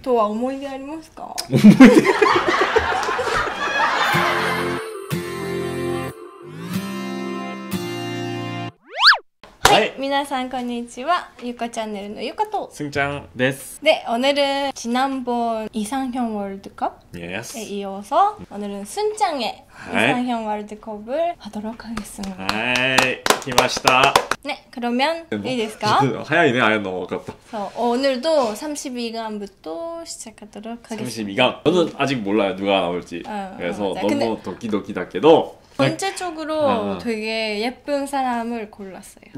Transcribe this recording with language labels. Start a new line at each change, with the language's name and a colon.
Japanese: とは思い出ありますか？思い出。みなさんこんにちは、ゆかチャンネルのゆかとすんちゃんです。
Korean: で、오늘은지난번이상형월드컵
English: yes.
Korean: 에이어서오늘은순짱의 이상형월드컵을하도록하겠습니다。
Japanese: はい、来ました。
Korean: 네、그러면
Japanese: いいですか？早いね、あやの分かった。
Korean: そう、오늘도32강부터시작하도록하겠습니다。 32강、저는아직몰라요누가나올지。 그래서너무도끼도끼
Japanese: だけど
Korean: 전체적으로되게예쁜사람을골랐어요。